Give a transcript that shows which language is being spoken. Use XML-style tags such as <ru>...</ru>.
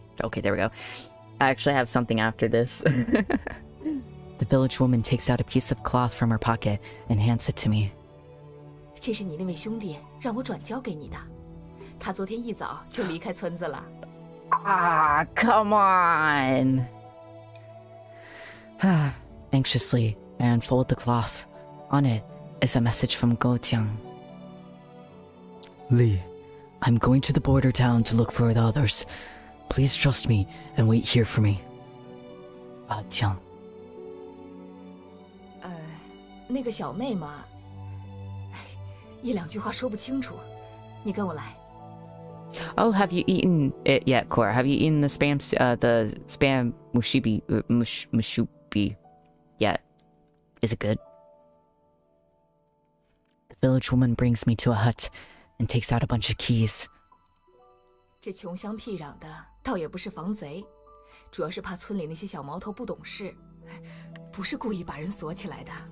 <en>Okay, there we go. I actually have something after this. The village woman takes out a piece of cloth from her pocket and hands it to me.</en> <zh>这是你那位兄弟让我转交给你的，他昨天一早就离开村子了。</zh> <en>Come on! Anxiously, I unfold the cloth. On it is a message from Go Jiang. Li, I'm going to the border town to look for the others. Please trust me and wait here for me. Jiang.</en> <zh>那个小妹嘛，一两句话说不清楚，你跟我来。</zh> <en>Oh, have you eaten it yet, Koro? Have you eaten the spam, mushubi yet? Is it good? The village woman brings me to a hut and takes out a bunch of keys.</en> <zh>这穷乡僻壤的倒也不是防贼，主要是怕村里那些小毛头不懂事，不是故意把人锁起来的。</zh>